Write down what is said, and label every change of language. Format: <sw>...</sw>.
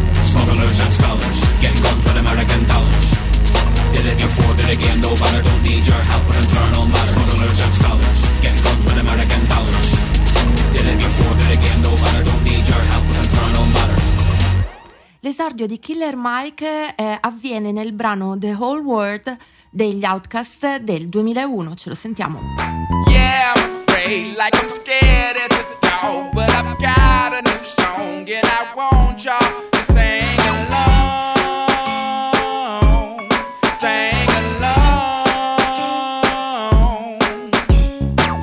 <en>Smugglers and scholars, getting guns with American dollars. Did it before, did it again, no banner, don't need your help with internal matters. Smugglers and scholars, getting guns with American dollars. Did it before, did it again, no banner, don't need your help with internal matters.</en> <it>L'esordio di Killer Mike avviene nel brano The Whole World degli Outkast del 2001, ce lo sentiamo.</it> <en>Yeah, I'm afraid, like I'm scared as a dog, but I've got a new song and I want y'all to sing along, sing along.</en>